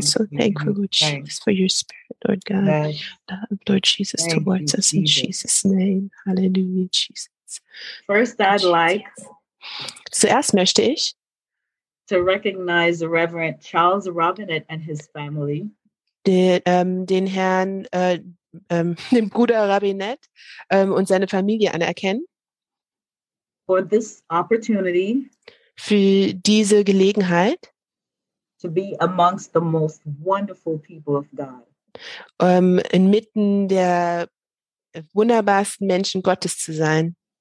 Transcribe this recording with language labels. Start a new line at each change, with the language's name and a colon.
English: So thankful, Lord Jesus, for your spirit, Lord God. Love, Lord Jesus, towards us in Jesus' name. Hallelujah, Jesus. First, I'd like...
German: Zuerst möchte ich
English: to recognize Reverend Charles Robinette and his family.
German: Den Herrn, dem Bruder Robinette und seine Familie anerkennen.
English: For this opportunity.
German: Für diese Gelegenheit.
English: To be amongst the most wonderful people of God.
German: Inmitten der wunderbarsten Menschen Gottes zu sein.